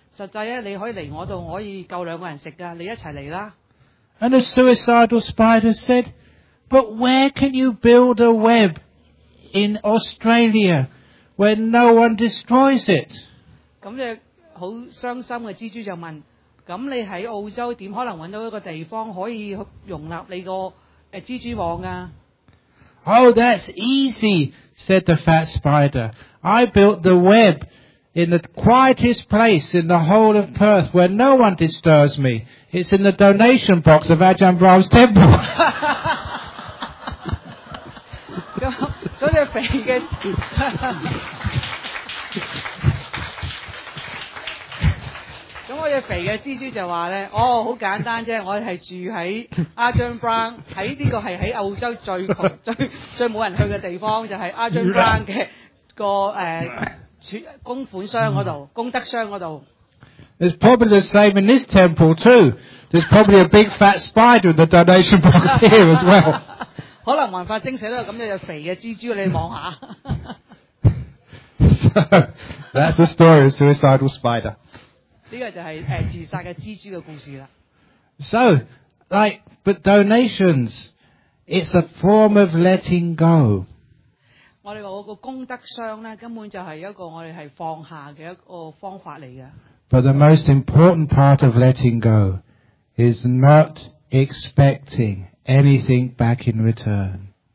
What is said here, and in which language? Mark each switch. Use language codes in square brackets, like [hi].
[yue] 實際咧，你可以嚟我度，我可以夠兩個人食噶。你一齊嚟啦。 [en] And the suicidal spider said, "But where can you build a web in Australia where no one destroys it?" [yue] 咁就好傷心嘅蜘蛛就問：咁你喺澳洲點可能揾到一個地方可以容納你個蜘蛛網啊？ [en] "Oh, that's easy," said the fat spider. "I built the web in the quietest place in the whole of Perth where no one disturbs me. It's in the donation box of Ajahn Brahm's temple." [yue] 嗰只肥嘅，咁嗰只肥嘅蜘蛛就话咧：哦，好简单啫，我系住喺 Ajahn Brahm， 喺呢个系喺澳洲最穷、最冇人去嘅地方，就系 Ajahn Brahm 嘅个供款箱嗰度、功德箱嗰度。 [en] It's probably the same in this temple too. There's probably a big fat spider in the donation box here as well. [yue] 可能文化精舍都有咁样只肥嘅蜘蛛，你望下。 [en] So, that's the story of suicidal spider. [yue] 呢个就系自杀嘅蜘蛛嘅故事啦。 [en] So, like, but donations, it's a form of letting go. [yue] 我哋话个功德箱咧，根本就系一个我哋系放下嘅一个方法嚟嘅。 [en] But the most important part of letting go is not expecting anything back in return.